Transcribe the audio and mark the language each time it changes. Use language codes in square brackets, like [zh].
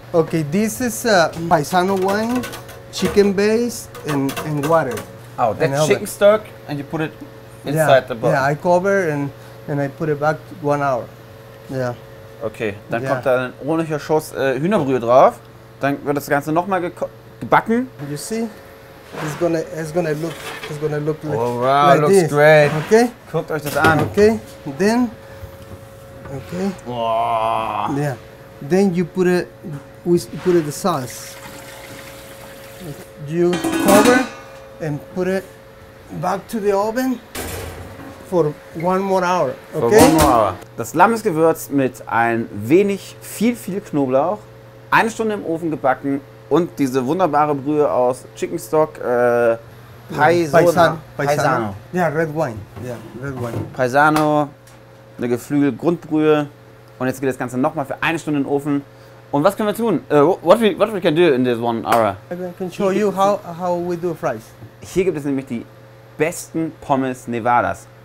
[en] Okay, this is paisano wine, chicken base, and water. Oh, that's chicken stock, and you put it inside the bottle. Yeah, I cover and I put it back 1 hour. Yeah. [de] Okay, dann kommt da ein ordentlicher Schuss Hühnerbrühe drauf. Dann wird das Ganze nochmal gebacken. [en] You see? It's gonna look like this. Oh wow, like looks great. Okay. [de] Guckt euch das an. [en] Okay, then. Okay. Wow. Yeah. Then you put it, we put it the sauce. You cover and put it back to the oven for 1 more hour. Okay? For 1 more hour. [de] Das Lamm ist gewürzt mit ein wenig viel Knoblauch. 1 Stunde im Ofen gebacken. Und diese wunderbare Brühe aus Chicken Stock, Paisano. [en] Ja, red wine. [de] Paisano, eine Geflügel-Grundbrühe. Und jetzt geht das Ganze nochmal für 1 Stunde in den Ofen. Und was können wir tun? [en] What we can do in this 1 hour? I can show you how we do fries. [de] Hier gibt es nämlich die besten Pommes Nevadas.